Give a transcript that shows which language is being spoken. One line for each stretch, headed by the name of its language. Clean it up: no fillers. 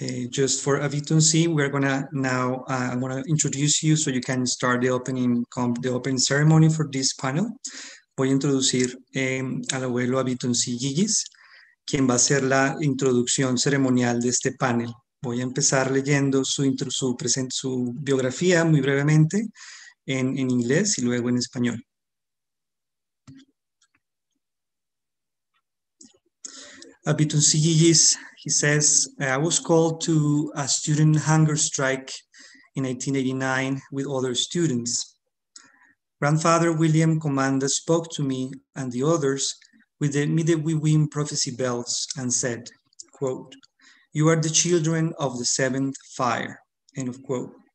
English: Just for Avitunsi, we're gonna now I'm gonna introduce you so you can start the opening ceremony for this panel.
Spanish: Voy a introducir al abuelo Avitunsi Gigis, quien va a ser la introducción ceremonial de este panel. Voy a empezar leyendo su biografía muy brevemente en inglés y luego en español.
English: A bit on CGG's, he says, I was called to a student hunger strike in 1989 with other students. Grandfather William Comanda spoke to me and the others with the Midewiwin prophecy bells and said, quote, you are the children of the seventh fire, end of quote.